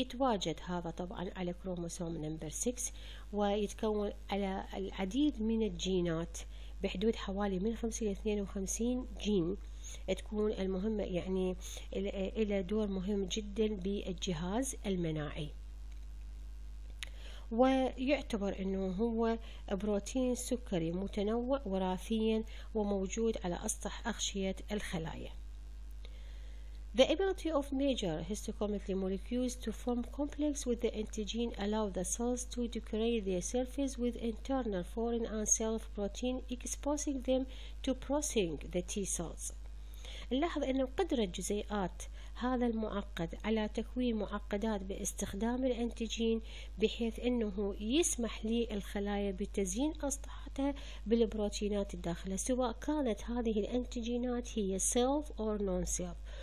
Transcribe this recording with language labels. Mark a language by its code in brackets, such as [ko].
[ar] يتواجد هذا طبعا على كروموسوم نمبر 6 ويتكون على العديد من الجينات بحدود حوالي من 50 إلى 52 جين تكون المهمة، يعني إلى دور مهم جدا بالجهاز المناعي. ويعتبر أنه هو بروتين سكري متنوع وراثيا وموجود على أسطح أغشية الخلايا. [en] The ability of major histocompatible molecules to form complex with the antigen allow the cells to decorate their surface with internal foreign and self protein exposing them to processing the T cells. [ar] نلاحظ ان قدرة جزيئات هذا المعقد على تكوين معقدات باستخدام الانتيجين بحيث انه يسمح للخلايا بتزيين اسطحتها بالبروتينات الداخلة سواء كانت هذه الانتيجينات هي [en] self or non-self.